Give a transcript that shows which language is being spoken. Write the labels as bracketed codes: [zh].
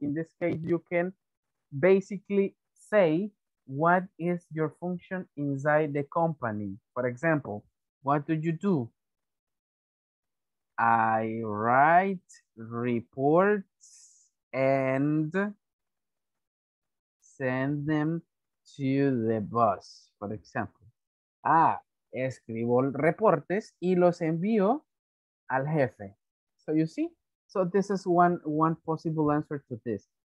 [en] In this case, you can basically say, what is your function inside the company? For example, what do you do? I write reports and send them to the boss, for example. [es] Ah, escribo reportes y los envío al jefe. [en] So you see? So this is one possible answer to this.